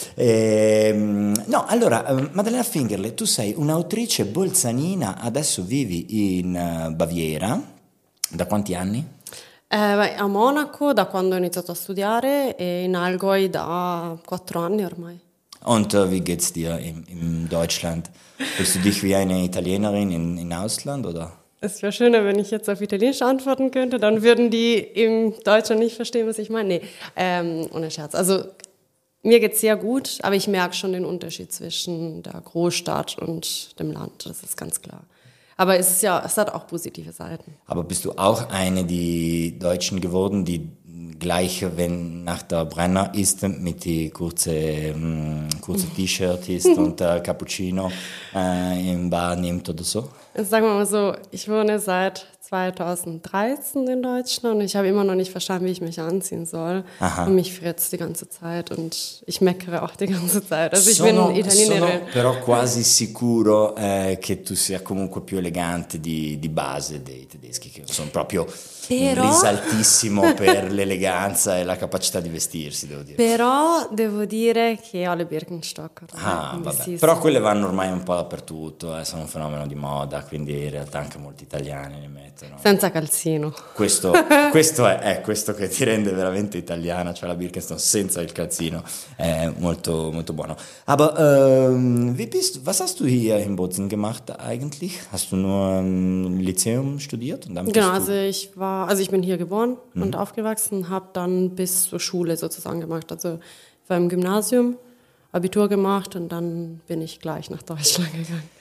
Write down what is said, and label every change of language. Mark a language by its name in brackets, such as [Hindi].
[Italian] No, allora, Maddalena Fingerle, tu sei un'autrice bolzanina, adesso vivi in Baviera. Da quanti anni? A Monaco da quando ho iniziato a studiare e in Allgäu da 4 anni ormai. [German] Und wie geht's dir in Deutschland? Fühlst du dich wie eine Italienerin in Ausland, oder? Es wäre schöner, wenn ich jetzt auf Italienisch antworten könnte, dann würden die im Deutschen nicht verstehen, was ich meine. Nee, ohne Scherz. Also mir geht's sehr gut, aber ich merke schon den Unterschied zwischen der Großstadt und dem Land, das ist ganz klar. Aber es ist ja, es hat auch positive Seiten. Aber bist du auch eine, die Deutschen geworden, die gleich, wenn nach der Brenner ist, mit die kurze T-Shirt ist und Cappuccino im Bar nimmt oder so? Sagen wir mal so, ich wohne seit 2013 in Deutschland und ich habe immer noch nicht verstanden, wie ich mich anziehen soll. Aha. Und mich friert die ganze Zeit und ich meckere auch die ganze Zeit. Also ich bin Italienerin. [Italian] Sono però quasi sicuro che tu sia comunque più elegante di base dei tedeschi, che sono proprio risaltissimo per l'eleganza e la capacità di vestirsi, devo dire. Però devo dire che ho le Birkenstock. Ah, vabbè. Sì, però quelle vanno ormai un po' dappertutto, sono un fenomeno di moda, quindi in realtà anche molti italiani le mettono. No. Senza calzino. Questo è questo che ti rende veramente italiana, cioè la Birkenstock senza il calzino. È molto molto buono. [German] Aber wie bist, was hast du hier in Bozen gemacht eigentlich? Hast du nur Lyceum studiert? Und dann genau, ich bin hier geboren und aufgewachsen, habe dann bis zur Schule sozusagen gemacht. Also beim Gymnasium Abitur gemacht und dann bin ich gleich nach Deutschland gegangen.